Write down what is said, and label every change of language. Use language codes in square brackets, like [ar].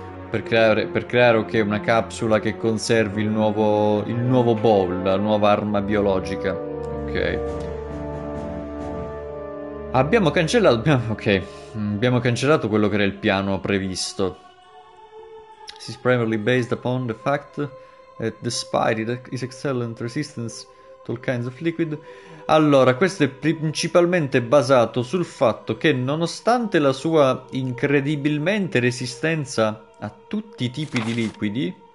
[it] Per creare okay, una capsula che conservi il nuovo bowl, la nuova arma biologica. Ok. Abbiamo cancellato quello che era il piano previsto. [en] This is primarily based upon the fact that despite its excellent resistance to all kinds of liquid. [it] Allora, questo è principalmente basato sul fatto che, nonostante la sua incredibilmente resistenza a tutti i tipi di liquidi,